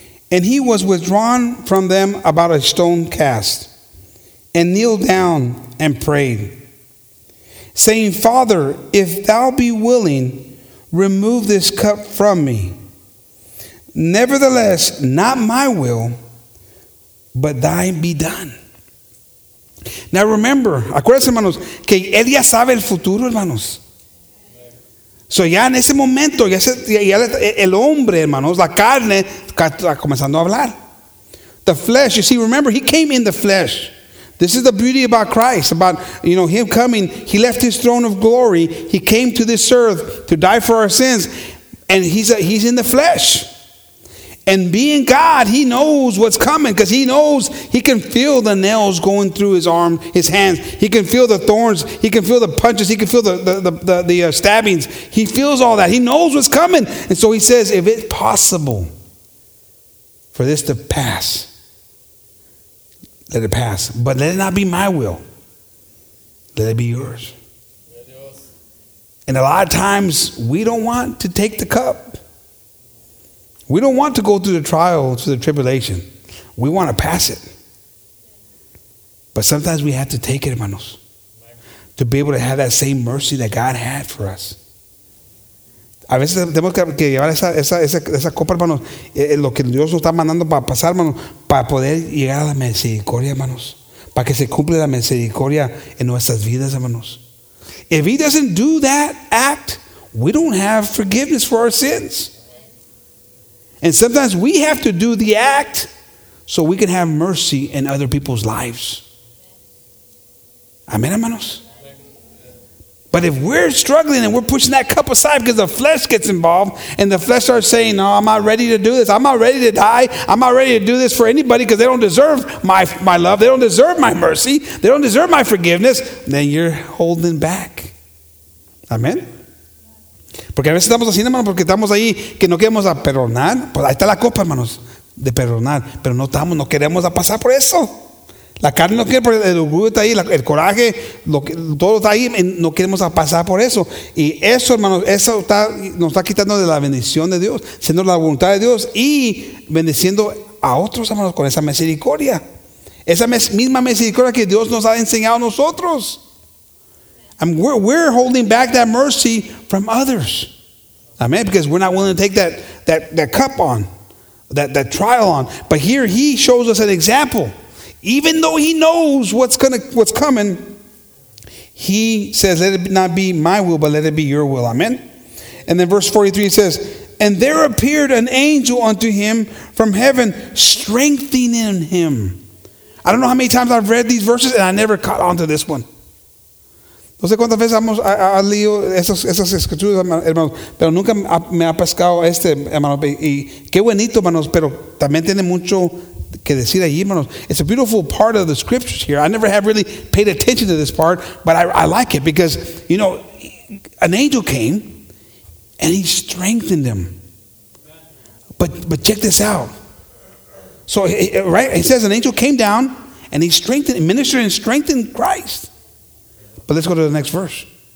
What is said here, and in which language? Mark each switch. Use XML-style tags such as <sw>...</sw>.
<en>And he was withdrawn from them about a stone cast, and kneeled down and prayed, saying, Father, if thou be willing, remove this cup from me. Nevertheless, not my will, but thine be done. Now remember,</en> <es>acuérdense, hermanos, que él ya sabe el futuro, hermanos. So ya en ese momento, ya el hombre, hermanos, la carne, está comenzando a hablar.</es> <en>The flesh, you see, remember, he came in the flesh. This is the beauty about Christ, about, you know, him coming. He left his throne of glory. He came to this earth to die for our sins. And he's in the flesh. And being God, he knows what's coming, because he knows he can feel the nails going through his arm, his hands. He can feel the thorns. He can feel the punches. He can feel the stabbings. He feels all that. He knows what's coming. And so he says, if it's possible for this to pass, let it pass. But let it not be my will. Let it be yours. And a lot of times we don't want to take the cup. We don't want to go through the trial, through the tribulation. We want to pass it. But sometimes we have to take it, hermanos, to be able to have that same mercy that God had for us.</en> <es>A veces tenemos que llevar esa copa, hermanos, lo que Dios nos está mandando para pasar, hermanos, para poder llegar a la misericordia, hermanos, para que se cumpla la misericordia en nuestras vidas, hermanos.</es> <en>If he doesn't do that act, we don't have forgiveness for our sins. And sometimes we have to do the act so we can have mercy in other people's lives. Amen, hermanos. But if we're struggling and we're pushing that cup aside because the flesh gets involved and the flesh starts saying, no, I'm not ready to do this. I'm not ready to die. I'm not ready to do this for anybody because they don't deserve my love. They don't deserve my mercy. They don't deserve my forgiveness. Then you're holding back. Amen.</en> <es>Porque a veces estamos haciendo, hermanos, porque estamos ahí que no queremos a perdonar. Pues ahí está la copa, hermanos, de perdonar. Pero no estamos, no queremos a pasar por eso. La carne no quiere, el orgullo está ahí, el coraje, todo está ahí, no queremos pasar por eso. Y eso, hermanos, eso está, nos está quitando de la bendición de Dios, siendo la voluntad de Dios y bendeciendo a otros, hermanos, con esa misericordia. Esa misma misericordia que Dios nos ha enseñado a nosotros.</es> <en>And we're holding back that mercy from others. Amen, because we're not willing to take that cup on, that trial on. But here he shows us an example. Even though he knows what's coming, he says, let it not be my will, but let it be your will. Amen. And then verse 43 says, and there appeared an angel unto him from heaven, strengthening him. I don't know how many times I've read these verses, and I never caught on to this one.</en> <es>No sé cuántas veces hemos leído esas escrituras, hermanos, pero nunca me ha pescado este, hermanos. Y qué bonito, hermanos, pero también tiene mucho que decir ahí, hermanos.</es> <en>It's a beautiful part of the scriptures here. I never have really paid attention to this part, but I like it because, you know, an angel came and he strengthened him. But check this out. So, right, it says an angel came down and he strengthened, ministered and strengthened Christ. But let's go to the next verse.</en>